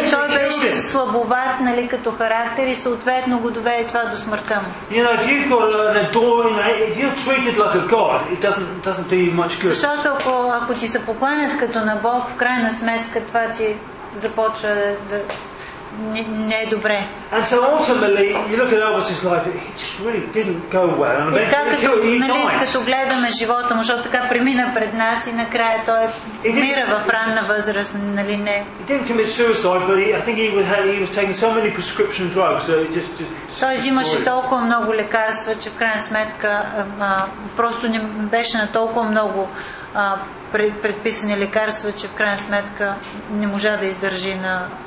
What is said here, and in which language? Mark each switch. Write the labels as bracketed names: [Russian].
[Bulgarian] той беше слабоват, нали, като характер и съответно го доведе това до смъртта му. [English] You know, if you've got an adoring, if you're treated like a god, it doesn't do you much good. [Bulgarian] Защото ако ти се покланят като на Бог, в крайна сметка това ти започва да не е добре. [English] And so ultimately, you look at Elvis's life, it really didn't go well. And eventually, [Bulgarian] нали, като гледаме живота му, защото така премина пред нас и накрая той умира в ранна възраст, нали не. [English] He didn't commit suicide, but I think he was taking so many prescription drugs, so he just [Bulgarian] той взимаше толкова много лекарства, че в крайна сметка просто не беше на толкова много предписани лекарства, че в крайна сметка не можа да издържи на